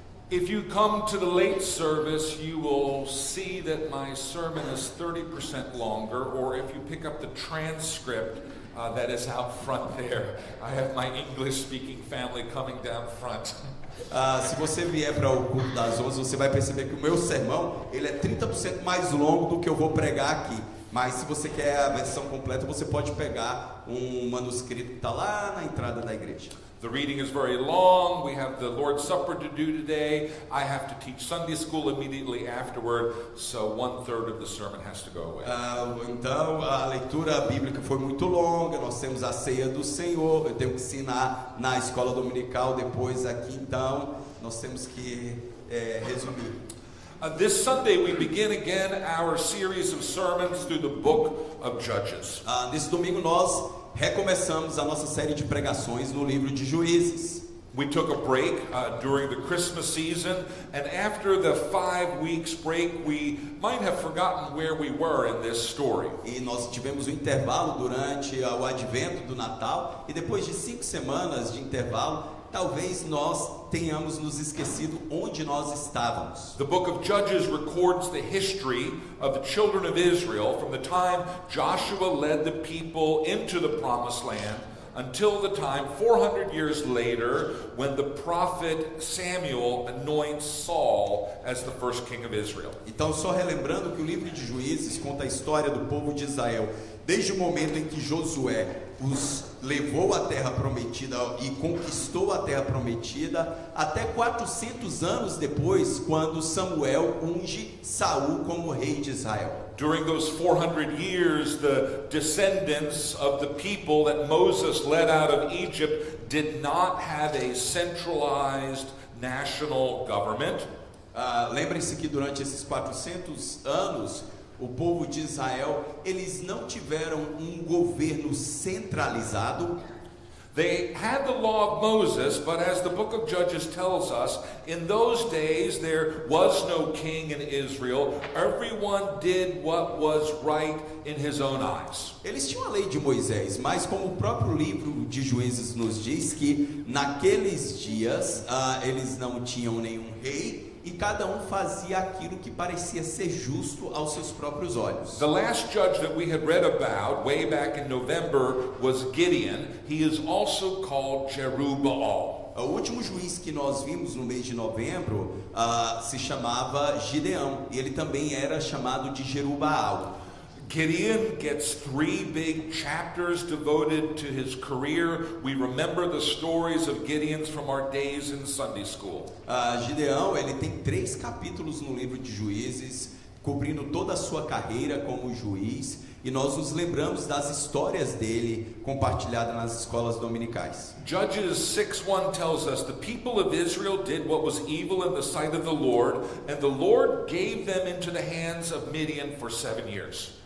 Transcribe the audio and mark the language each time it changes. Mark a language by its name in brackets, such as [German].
[English] If you come to the late service, you will see that my sermon is 30% longer, or if you pick up the transcript that is out front there, I have my English speaking family coming down front. [Portuguese] Se você vier para o culto das 11, você vai perceber que o meu sermão, ele é 30% mais longo do que eu vou pregar aqui. Mas se você quer a versão completa, você pode pegar um manuscrito que está lá na entrada da igreja. [English] The reading is very long. We have the Lord's Supper to do today. I have to teach Sunday school immediately afterward, so one third of the sermon has to go away. [Portuguese] Então a leitura bíblica foi muito longa. Nós temos a ceia do Senhor. Eu tenho que ensinar na escola dominical depois aqui. Então nós temos que resumir. [English] This Sunday we begin again our series of sermons through the book of Judges. [Portuguese] Nesse domingo nós recomeçamos a nossa série de pregações no livro de Juízes. [English] We took a break during the Christmas season, and after the 5 weeks break, we might have forgotten where we were in this story. [Portuguese] E nós tivemos um intervalo durante o advento do Natal, e depois de 5 semanas de intervalo, talvez nós tenhamos nos esquecido onde nós estávamos. [English] The book of Judges records the history of the children of Israel from the time Joshua led the people into the promised land until the time 400 years later when the prophet Samuel anoints Saul as the first king of Israel. [Portuguese] Então, só relembrando que o livro de Juízes conta a história do povo de Israel desde o momento em que Josué os levou à terra prometida e conquistou a terra prometida até 400 anos depois, quando Samuel unge Saul como rei de Israel. [English] During those 400 years, the descendants of the people that Moses led out of Egypt did not have a centralized national government. [Portuguese] Lembre-se que durante esses 400 anos, o povo de Israel, eles não tiveram um governo centralizado. [English] They had the law of Moses, but as the book of Judges tells us, in those days there was no king in Israel. Everyone did what was right in his own eyes. [Portuguese] Eles tinham a lei de Moisés, mas como o próprio livro de Juízes nos diz que naqueles dias eles não tinham nenhum rei. E cada fazia aquilo que parecia ser justo aos seus próprios olhos. [English] The last judge that we had read about way back in November was Gideon. He is also called Jerubbaal. [Portuguese] O último juiz que nós vimos no mês de novembro se chamava Gideão. E ele também era chamado de Jerubbaal. [English] Gideon gets three big chapters devoted to his career. We remember the stories of Gideon's from our days in Sunday school. [Portuguese] Gideão, ele tem três capítulos no livro de Juízes, cobrindo toda a sua carreira como juiz, e nós nos lembramos das histórias dele compartilhadas nas escolas dominicais. [English] Judges 6:1 tells us the people of Israel did what was evil in the sight of the Lord, and the Lord gave them into the hands of Midian for 7 years.